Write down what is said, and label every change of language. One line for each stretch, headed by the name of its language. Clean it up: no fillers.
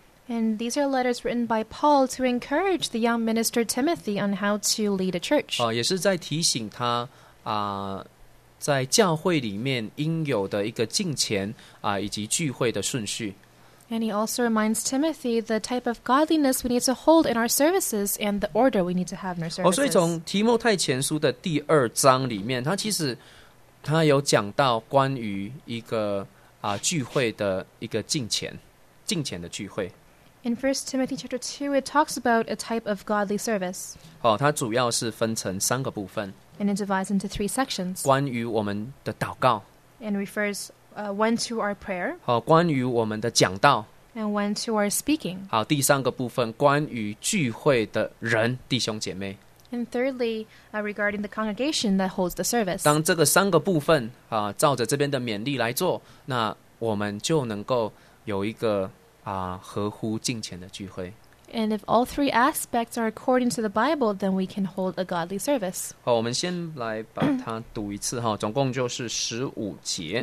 English: And these are letters written by Paul to encourage the young minister Timothy on how to lead a church.
Chinese: 也是在提醒他在教会里面应有的一个敬虔以及聚会的顺序。
English: And he also reminds Timothy the type of godliness we need to hold in our services and the order we need to have in our services.
Chinese: 所以从提摩太前书的第二章里面，他有讲到关于一个聚会的一个敬虔的聚会。
English: In 1 Timothy chapter 2, it talks about a type of godly service.
Chinese: 它主要是分成三个部分。
English: And it divides into three sections.
Chinese: 关于我们的祷告。
English: And refers one to our prayer.
Chinese: 关于我们的讲道。
English: And one to our speaking.
Chinese: 好，第三个部分，关于聚会的人，弟兄姐妹。
English: And thirdly, regarding the congregation that holds the service.
Chinese: 当这个三个部分照着这边的勉励来做，那我们就能够有一个合乎敬虔的聚会。
English: And if all three aspects are according to the Bible, then we can hold a godly service.
Chinese: 好，我们先来把它读一次哈，总共就是十五节。